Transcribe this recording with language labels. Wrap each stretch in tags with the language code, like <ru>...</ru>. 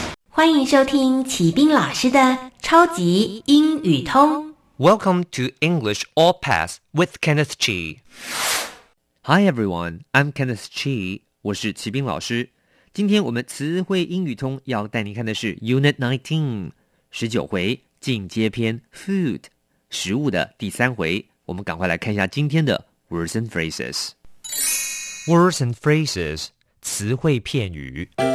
<zh>欢迎收听启斌老师的超级英语通。</zh> <en>Welcome to English All Pass with Kenneth Chi. Hi everyone, I'm Kenneth Chi.</en> <zh>我是齐斌老师。今天我们词汇英语通要带你看的是 Unit 19, 19回进阶篇 Food, 食物的第三回。我们赶快来看一下今天的 Words and Phrases.</zh> <en>Words and Phrases, 词汇片语。</en>